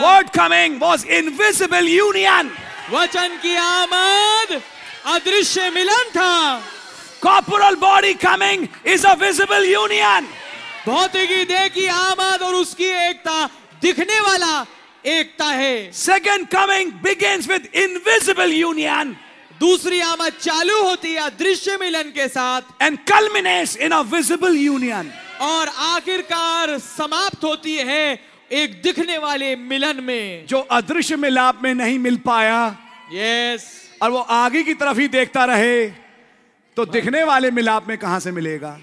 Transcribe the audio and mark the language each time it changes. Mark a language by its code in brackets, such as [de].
[en] word coming was invisible union [hi] वचन की आमद अदृश्य मिलन था [en] Corporal body coming is a visible union. [hi] भौतिकी देह की आमद और उसकी एकता दिखने वाला एकता है. [en] Second coming begins with invisible union. [hi] दूसरी आमद चालू होती है दृश्य मिलन के साथ. [en] And culminates in a visible union. [hi] और आखिरकार समाप्त होती है एक दिखने वाले मिलन में. जो अदृश्य मिलाप में नहीं मिल पाया. [en] Yes. [hi] और वो आगे की तरफ ही देखता रहे. तो दिखने वाले मिलाप में कहां से मिलेगा